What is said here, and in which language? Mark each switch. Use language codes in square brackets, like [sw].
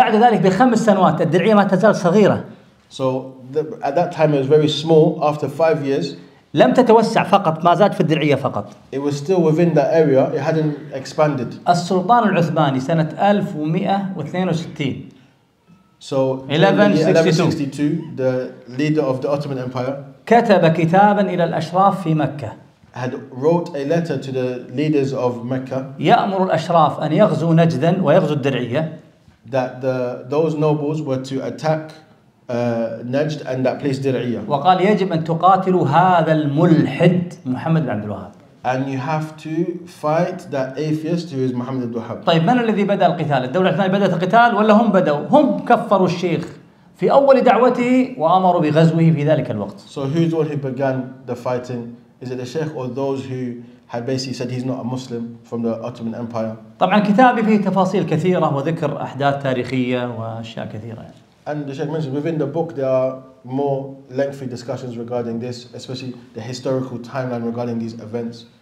[ar] بعد ذلك بخمس سنوات الدرعية ما تزال صغيرة. [en] So at that time it was very small. After 5 years. [ar] لم تتوسع فقط ما زاد في الدرعية فقط. [en] It was still within that area. It hadn't expanded. [ar] السلطان العثماني سنة 1162. [en] So 1162. The leader of the Ottoman Empire. [ar] كتب كتابا إلى الأشراف في مكة. [en] Had wrote a letter to the leaders of Mecca. [ar] يأمر الأشراف أن يغزوا نجدا ويغزوا الدرعية. [en] That those nobles were to attack Najd and that place درعية. [ar] وقال يجب أن تقاتلوا هذا الملحد محمد بن عبد الوهاب. [en] And you have to fight that atheist who is Muhammad al-Wahhab. [ar] طيب من الذي بدأ القتال؟ الدولة الثانية بدأت القتال ولا هم بدأوا؟ هم كفروا الشيخ في أول دعوته وأمروا بغزوه في ذلك الوقت. [en] So who's one who began the fighting? Is it the Sheikh or those who had basically said he's not a Muslim from the Ottoman Empire? [ar] طبعا كتابي فيه تفاصيل كثيرة وذكر أحداث تاريخية وأشياء كثيرة. [en] And the Sheikh mentioned within the book there are more lengthy discussions regarding this, especially the historical timeline regarding these events.